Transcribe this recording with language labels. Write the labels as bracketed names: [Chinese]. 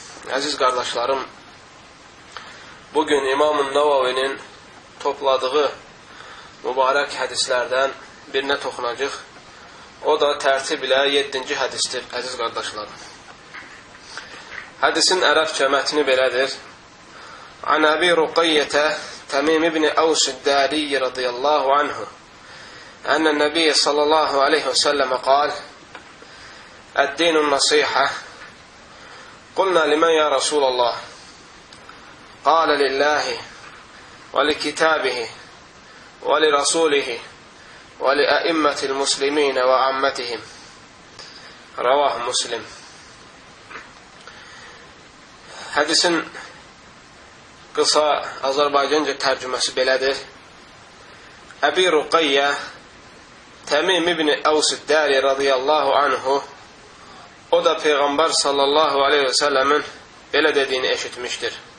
[Azerbaijani] Əziz qardaşlarım, bugün İmam Nəvavinin topladığı mübarək hədislərdən birinə toxunacaq. O da tərtib ilə 7-ci hədisdir, əziz qardaşlarım. Hədisin ərəb cəmətini belədir. [Arabic] عن أبي رقية تميم بن أوس الداري رضي الله عنه أن النبي صلى الله عليه وسلم قال الدين النصيحة قلنا لمن يا رسول الله قال لله ولكتابه ولرسوله ولأئمة المسلمين وعامتهم رواه مسلم. [Azerbaijani] حديث qısa Azərbaycanca tərcüməsi belədir. Əbi Ruqayyə Təmim ibn-i Əvsüddəri radiyallahu anhu o da Peyğəmbər sallallahu aleyhi ve selləmin belə dediyini eşitmişdir.